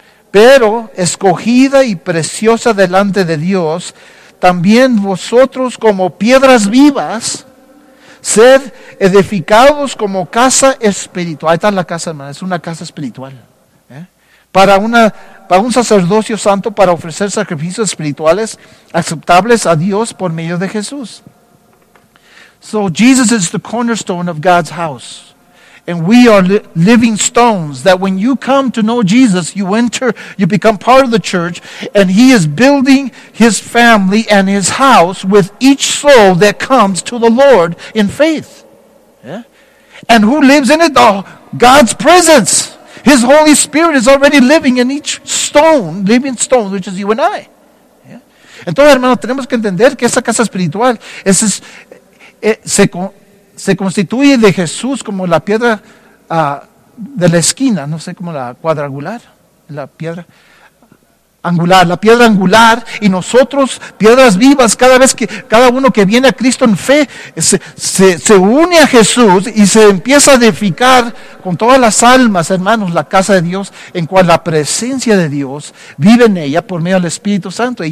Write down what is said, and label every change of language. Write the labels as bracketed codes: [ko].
[es] pero escogida y preciosa delante de Dios, también vosotros como piedras vivas, sed edificados como casa espiritual. Ahí está la casa, hermano, es una casa espiritual. Para un sacerdocio santo, para ofrecer sacrificios espirituales aceptables a Dios por medio de Jesús. [en] So Jesus is the cornerstone of God's house. And we are living stones that when you come to know Jesus, you enter, you become part of the church, and he is building his family and his house with each soul that comes to the Lord in faith. Yeah? And who lives in it? Oh, God's presence. His Holy Spirit is already living in each stone, living stone, which is you and I. Yeah? [es] Entonces, hermanos, tenemos que entender que esa casa espiritual se constituye de Jesús como la piedra de la esquina, no sé, como la cuadrangular, la piedra angular, la piedra angular, y nosotros, piedras vivas, cada vez que cada uno que viene a Cristo en fe, se une a Jesús y se empieza a edificar con todas las almas, hermanos, la casa de Dios, en cual la presencia de Dios vive en ella por medio del Espíritu Santo.